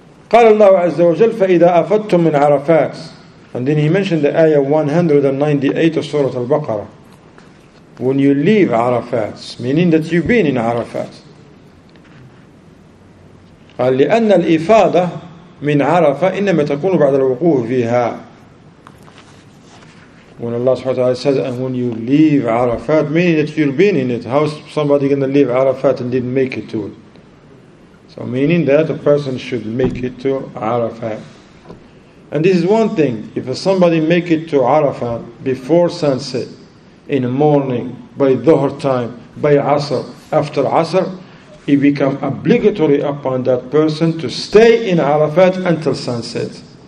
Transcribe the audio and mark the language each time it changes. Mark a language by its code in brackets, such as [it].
[ar] قال الله عز وجل فإذا أفدتم من عرفات. [en] And then he mentioned the ayah 198 of Surah Al-Baqarah. When you leave عرفات, meaning that you've been in عرفات. [ar] قال لأن الإفادة من عرفة إنما تكون بعد الوقوف فيها. [en] When Allah [ar] سبحانه وتعالى [en] says, and when you leave عرفات, meaning that you've been in it, how is somebody going to leave عرفات and didn't make it to it? So meaning that a person should make it to Arafah. And this is one thing, if somebody make it to Arafah before sunset, in the morning, by Dhuhr time, by Asr, after Asr, it becomes obligatory upon that person to stay in Arafah until sunset.